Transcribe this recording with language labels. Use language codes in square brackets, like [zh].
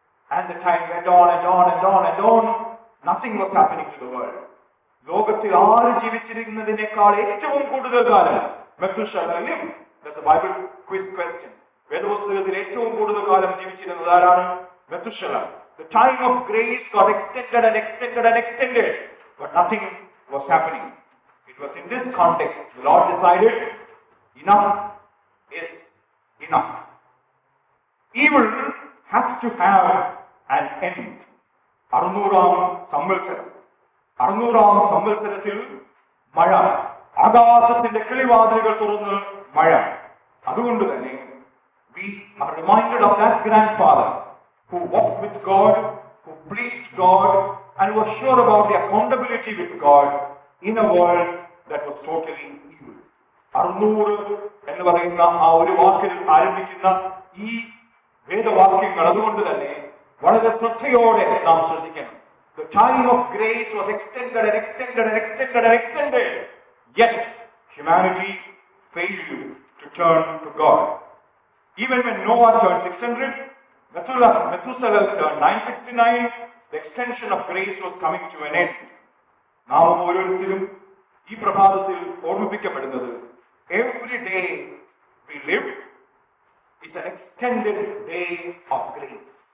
[en] And the time went on and on and on and on, nothing was happening to the world. [ml] ലോകത്തിൽ ആര് ജീവിച്ചിരിക്കുന്നതിനേക്കാൾ ഏറ്റവും കൂടുതൽ കാലം മെത്തുശാലയും [en] that's a Bible quiz question. [ml] വേദപുസ്തകത്തിൽ ഏറ്റവും കൂടുതൽ കാലം ജീവിച്ചിരുന്നത് ആരാണ് മെത്തുശാല [en] The time of grace got extended and extended and extended, but nothing was happening. It was in this context the Lord decided, enough is enough. Evil has to have an end. [ml] 600-ാം സംവത്സരം. 600-ാം സംവത്സരത്തിൽ മഴ. ആകാശത്തിന്റെ കിളിവാതിലുകൾ തുറന്ന് മഴ. അതുകൊണ്ട് തന്നെ, [en] we are reminded of that grandfather. who walked with God, who pleased God, and was sure about the accountability with God in a world that was totally evil. [ml] 600 എന്ന് പറയുന്ന ആ ഒരു വാക്കിൽ ആരംഭിക്കുന്ന ഈ വേദവാക്യങ്ങൾ അതുകൊണ്ട് തന്നെ വളരെ ശ്രദ്ധയോടെ നാം ശ്രദ്ധിക്കണം. [en] The time of grace was extended and extended and extended and extended, yet humanity failed to turn to God. Even when Noah turned 600, Methuselah turned 969, the extension of grace was coming to an end. [ml] നാം ഓരോരുത്തരും ഈ പ്രഭാതത്തിൽ ഓർമ്മിപ്പിക്കപ്പെടുന്നത് [en] every day we live is an extended day of grace.